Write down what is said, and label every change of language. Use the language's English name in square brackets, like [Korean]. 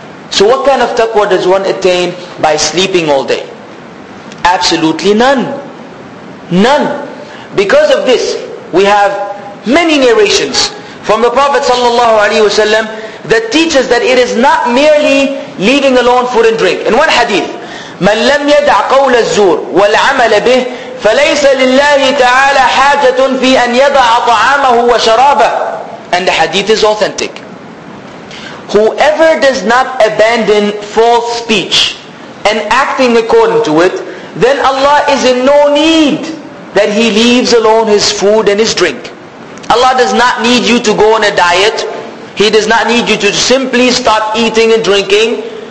[English] So what kind of taqwa does one attain by sleeping all day? Absolutely none. None. Because of this, we have many narrations from the Prophet ﷺ that teaches that it is not merely leaving alone food and drink. In one hadith, [Arabic] مَنْ لَمْ يَدْعَ قَوْلَ الزُّورِ وَالْعَمَلَ بِهِ فَلَيْسَ لِلَّهِ تَعَالَى حَاجَةٌ فِي أَنْ يَضَعَ طَعَامَهُ وَشَرَابَهُ [English] And the hadith is authentic. Whoever does not abandon false speech and acting according to it, then Allah is in no need that he leaves alone his food and his drink. Allah does not need you to go on a diet. He does not need you to simply stop eating and drinking.